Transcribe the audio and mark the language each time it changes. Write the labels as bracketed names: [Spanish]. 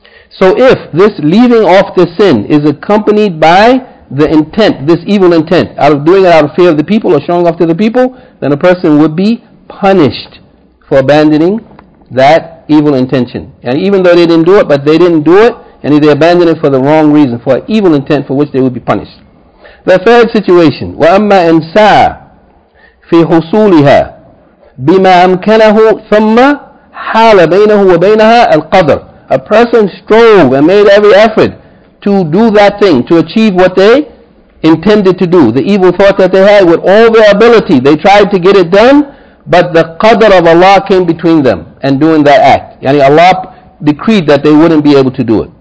[English] So if this leaving off the sin is accompanied by the intent, this evil intent, out of doing it out of fear of the people or showing off to the people, then a person would be punished for abandoning that evil intention. And even though they didn't do it, but they didn't do it and if they abandon it for the wrong reason, for an evil intent for which they will be punished. [Arabic] The third situation, وَأَمَّا إِنْسَى فِي حُصُولِهَا بِمَا أَمْكَنَهُ ثُمَّ حَالَ بَيْنَهُ وَبَيْنَهَا الْقَدْرِ. [English] A person strove and made every effort to do that thing, to achieve what they intended to do. The evil thought that they had, with all their ability, they tried to get it done, but the qadr of Allah came between them and doing that act. Yani Allah decreed that they wouldn't be able to do it.